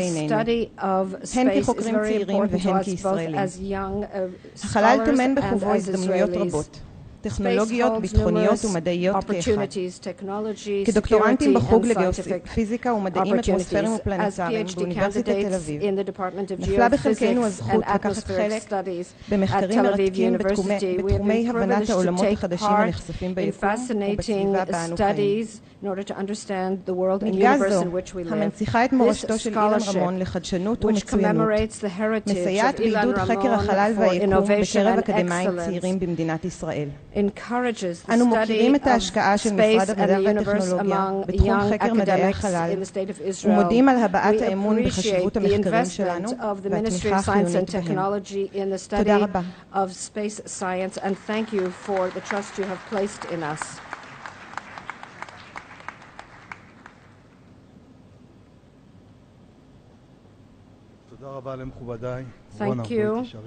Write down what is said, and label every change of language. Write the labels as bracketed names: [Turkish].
[English] study of space is very important to us both as young scholars and as Israelis. [Hebrew] טכנולוגיות, ביטחוניות ומדעיות כאחד. כדוקטורנטים בחוג לגיאופיזיקה ומדעים אטמוספריים ופלנטריים באוניברסיטת תל אביב, נפלה בחלקנו הזכות לקחת חלק במחקרים מרתקים בתחומי הבנת העולמות החדשים הנחשפים ביקום ובסביבה בה אנו חיים. מלגה זו, המנציחה את מורשתו של אילן רמון לחדשנות ומצוינות, מסייעת בעידוד חקר החלל והיקום בקרב אקדמאים צעירים במדינת ישראל. [English] Encourages the study of space and the universe among young academics in the state of Israel. We appreciate the investment of the Ministry of Science and Technology in the study of space science, and thank you for the trust you have placed in us. Thank you.